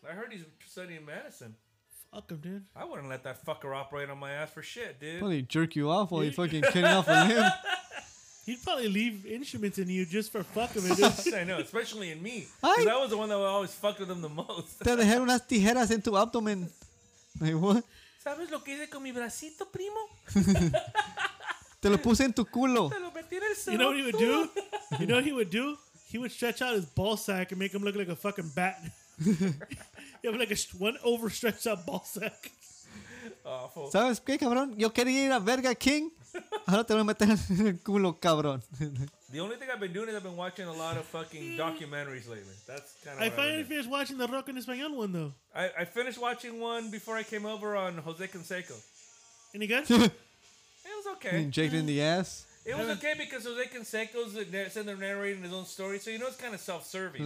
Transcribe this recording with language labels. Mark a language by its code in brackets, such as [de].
[en] I heard he's studying medicine. Fuck him, dude. I wouldn't let that fucker operate on my ass for shit, dude. Well, he jerk you off while you fucking cutting off on him. He'd probably leave instruments in you just for fuck of it. I know, especially in me. Because I was the one that would always fuck with him the most. [es] Te dejaron unas tijeras en tu abdomen. [en] Like, what? [es] ¿Sabes lo que hice con mi bracito, primo? Te lo puse en tu culo. Te lo metí en el [en] sol. You know what he would do? You know what he would do? He would stretch out his ball sack and make him look like a fucking bat. You have like one overstretched up ball sack. Awful. [es] ¿Sabes qué, cabrón? Yo quería ir a Verga King. Ahora te voy a meter en el culo, cabrón. [en] The only thing I've been doing is I've been watching a lot of fucking documentaries lately. That's kind of. I finally finished watching the Rock in Español one, though. I finished watching one before I came over on Jose Canseco. Any good? It was okay. You jacked in the ass? It was okay because Jose Canseco's sitting there narrating his own story, so you know it's kind of self-serving.